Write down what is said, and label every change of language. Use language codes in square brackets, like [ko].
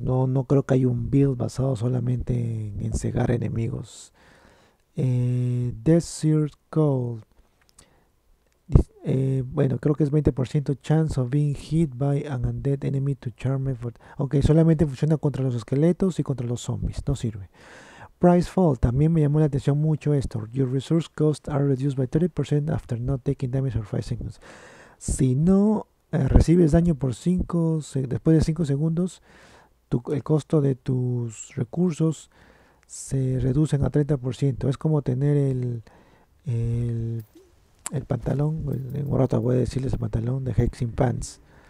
[es] No, no creo que haya un build basado solamente en cegar enemigos. Desert Cold. Bueno, creo que es [en] 20% chance of being hit by an undead enemy to charm effort. [es] Ok, solamente funciona contra los esqueletos y contra los zombies. No sirve. Price Fall. También me llamó la atención mucho esto. [en] Your resource costs are reduced by 30% after not taking damage for 5 seconds. [es] Si no recibes daño por 5, después de 5 segundos, el costo de tus recursos se reducen a 30%. Es como tener el pantalón, en un rato voy a decirles el pantalón de Hexing Pants.